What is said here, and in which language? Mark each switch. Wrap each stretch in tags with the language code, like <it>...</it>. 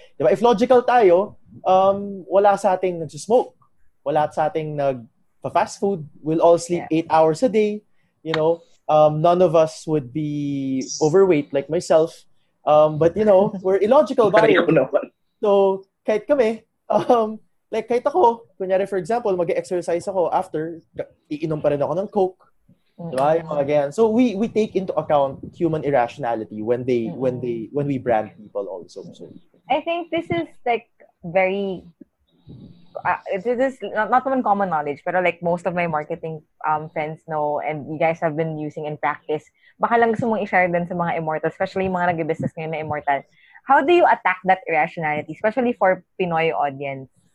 <tl>Di ba?</tl> <en>If logical</en> <tl>tayo, wala sa ating nagsusmoke. Wala sa ating nag-fast food.</tl> <en>We'll all sleep 8 hours a day. You know, none of us would be overweight like myself. But you know, we're illogical buyers.</en> <tl>So, kahit kami, like kahit ako, kunyari for example, mag-exercise ako after, iinom pa rin ako ng Coke. Mm-hmm. Again.</tl> <en>So we take into account human irrationality when we brand people also. So, I think this is like very this is not even common knowledge, but like most of my marketing friends know and you guys have been using in practice.</en> <tl>Baka lang gusto mong i-share din sa mga immortal, especially mga nag-business ngayon na immortal.</tl> <en>How do you attack that irrationality, especially for Pinoy audience?</en>